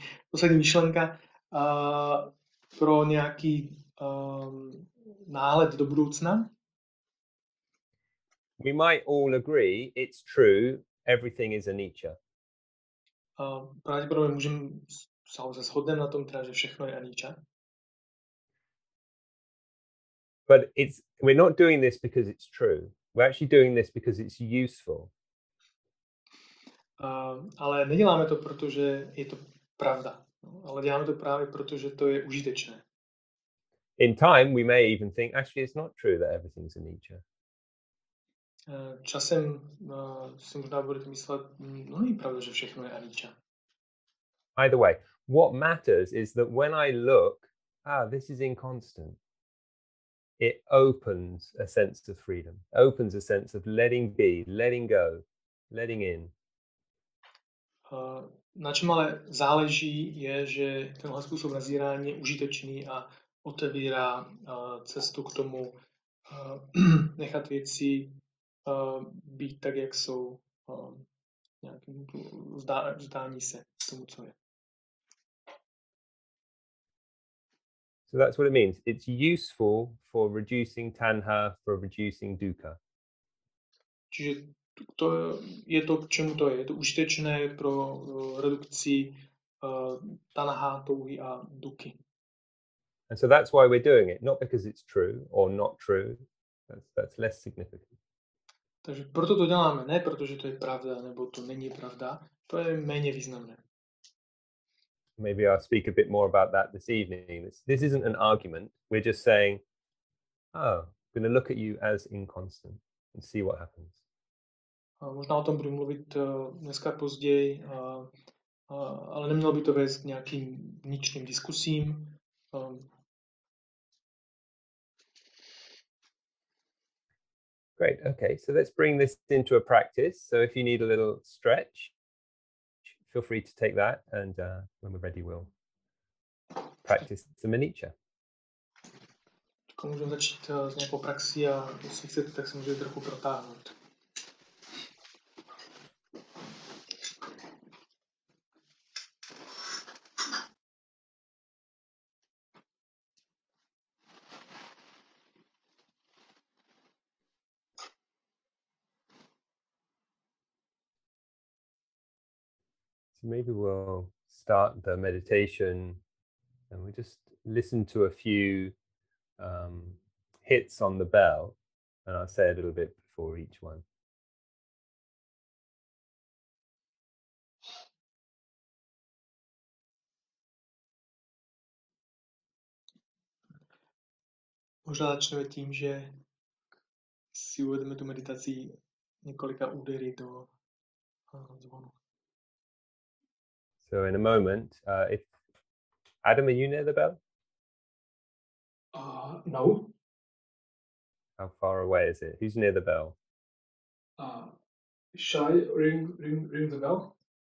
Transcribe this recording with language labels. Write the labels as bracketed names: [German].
[Czech] Poslední myšlenka pro nějaký náhled do budoucna. [English] We might all agree it's true, everything is anicca. [Czech] Pravděpodobně můžeme se shodnout na tom, že všechno je anicca. [English] But we're not doing this because it's true. We're actually doing this because it's useful. [Czech] Ale neděláme to, protože je to pravda. Ale děláme to právě, protože to je užitečné. [English] In time we may even think actually it's not true that everything's in nature. [Czech] Časem si možná budete myslet, no není pravda, že všechno je a nature. [English] Either way, what matters is that when I look, this is in constant, it opens a sense of freedom, opens a sense of letting be, letting go, letting in. [Czech] Na čem ale záleží, je, že tenhle způsob nazírání je užitečný a otevírá cestu k tomu nechat věci být tak, jak jsou, nějakým vzdání se tomu, co je. [English] So that's what it means. It's useful for reducing tanha, for reducing dukkha. [Czech] Čiže to je to, k čemu to je. Je to užitečné pro redukci tanha, touhy a dukky. [English] And so that's why we're doing it, not because it's true or not true. That's less significant. [Czech] Takže proto to děláme, ne protože to je pravda nebo to není pravda, to je méně významné. [English] Maybe I'll speak a bit more about that this evening. This isn't an argument. We're just saying, I'm going to look at you as inconstant and see what happens. [Czech] Možná o tom budu mluvit dneska později, ale nemělo by to vést k nějakým vnitřním diskusím. [English] Great, okay, so let's bring this into a practice. So if you need a little stretch, feel free to take that, and when we're ready, we'll practice the manicha. [Czech] to můžeme začít s nějakou praxí a jestli chcete, tak se můžete trochu protáhnout. [English] Maybe we'll start the meditation and we'll just listen to a few hits on the bell, and I'll say a little bit before each one. [Czech] Možná začneme tím, že si uvedeme tu meditaci několika údery do zvonu. [English] So in a moment, if Adam, are you near the bell? No. How far away is it? Who's near the bell? Shall I ring the bell?